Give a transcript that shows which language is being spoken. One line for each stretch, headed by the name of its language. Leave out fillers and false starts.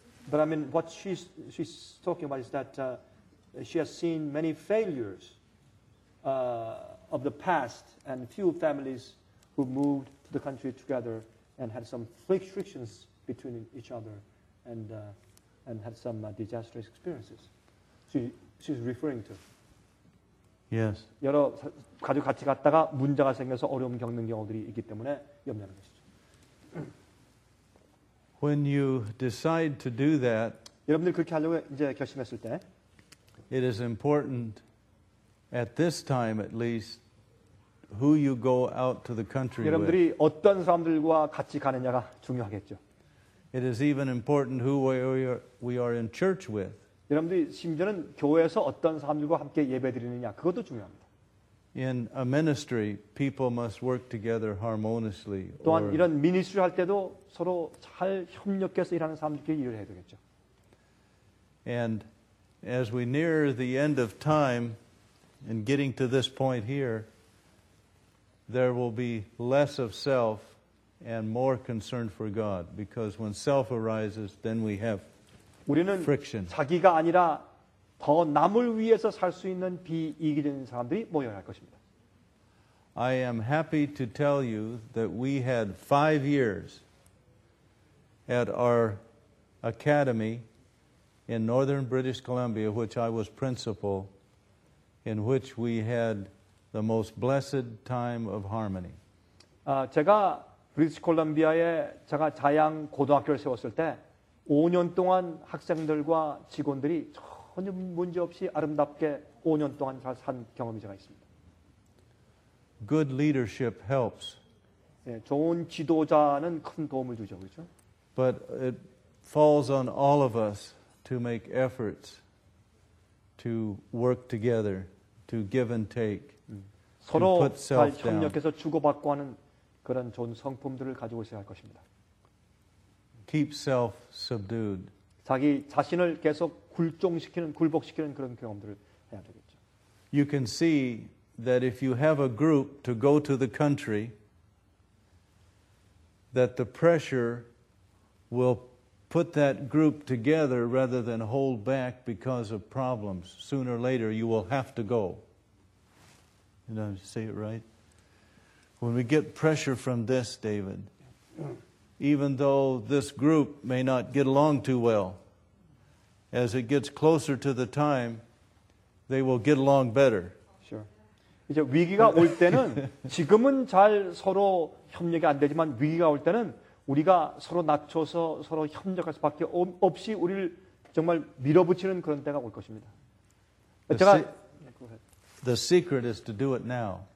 English: But I mean, what she's talking about is that she has seen many failures of the past and few families who moved to the country together and had some frictions between each other and had some disastrous experiences. She's referring to. Yes.
Korean: 여러 가족 같이 갔다가 문제가 생겨서 어려움 겪는 경우들이 있기 때문에 염려하는 것이죠.
English: When you decide to do that,
Korean: 여러분들 그렇게 하려고 이제 결심했을 때,
English: it is important at this time at least who you go out to the country with.
Korean: 여러분들이 어떤 사람들과 같이 가느냐가 중요하겠죠.
English: It is even important who we are in church with.
Korean: 여러분들이 심지어는 교회에서 어떤 사람들과 함께 예배드리느냐 그것도 중요합니다.
English: In a ministry, people must work together harmoniously.
Korean: 또한 이런 미니스트리 할 때도 서로 잘 협력해서 일하는 사람들끼리 일을 해야 되겠죠.
English: And as we near the end of time and getting to this point here, there will be less of self and more concern for God. Because when self arises, then we have friction.
Korean: 우리는 자기가 아니라 더 남을 위해서 살 수 있는 비이기적인 사람들이 모여야 할 것입니다.
English: I am happy to tell you that we had 5 years at our academy in northern British Columbia, which I was principal, in which we had the most blessed time of harmony.
Korean: 제가 브리티시 콜롬비아에 제가 자양 고등학교를 세웠을 때 5년 동안 학생들과 직원들이 전혀 문제 없이 아름답게 5년 동안 잘 산 경험이 제가 있습니다.
English: Good leadership helps.
Korean: 예, 좋은 지도자는 큰 도움을 주죠. 그렇죠?
English: But it falls on all of us to make efforts to work together, to give and take.
Korean: 서로 잘 협력해서 주고받고 하는 그런 좋은 성품들을 가지고 있어야 할 것입니다.
English: Keep self subdued.
Korean: 자기 자신을 계속 굴종시키는 굴복시키는 그런 경험들을 해야 되겠죠.
English: You can see that if you have a group to go to the country, that the pressure will put that group together rather than hold back because of problems. Sooner or later, you will have to go. Did I say it right? When we get pressure from this, David, even though this group may not get along too well, as it gets closer to the time, they will get along better. Sure.
Korean: 이제 위기가 올 때는 지금은 잘 서로 협력이 안 되지만 위기가 올 때는 우리가 서로 낮춰서 서로 협력할 수밖에 없이 우리를 정말 밀어붙이는 그런 때가 올 것입니다. 제가
English: The secret is to do it now.